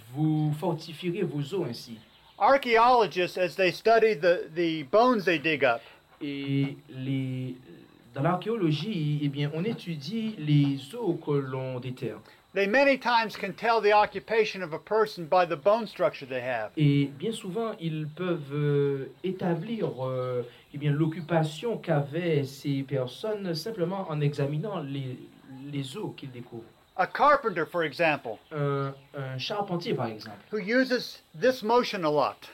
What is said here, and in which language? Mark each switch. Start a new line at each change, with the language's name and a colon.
French: Vous fortifierez vos os ainsi.
English: Archaeologists, as they study the bones they dig up.
French: Et dans l'archéologie, eh bien, on étudie les os que l'on déterre.
English: They many times can tell the occupation of a person by the bone structure they have.
French: Et bien souvent, ils peuvent établir eh bien l'occupation qu'avaient ces personnes simplement en examinant les os qu'ils découvrent.
English: A carpenter, for example.
French: Un charpentier, par exemple.
English: Who uses this motion a lot.